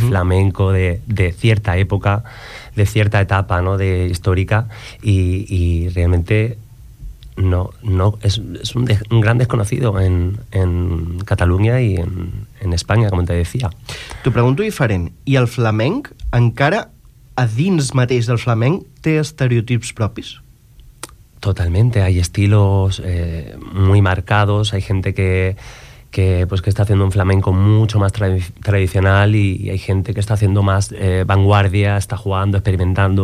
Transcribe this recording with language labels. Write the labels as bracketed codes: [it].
[es] flamenco de cierta época, de cierta etapa, ¿no? De histórica y realmente no es un gran desconocido en Cataluña y en España, como te decía. [ca] T'ho pregunto diferent. I el flamenc, encara a dins mateix del flamenc, té estereotips propis? [es] Totalmente, hay estilos muy marcados, hay gente que está haciendo un flamenco mucho más tradicional y hay gente que está haciendo más vanguardia, está jugando, experimentando.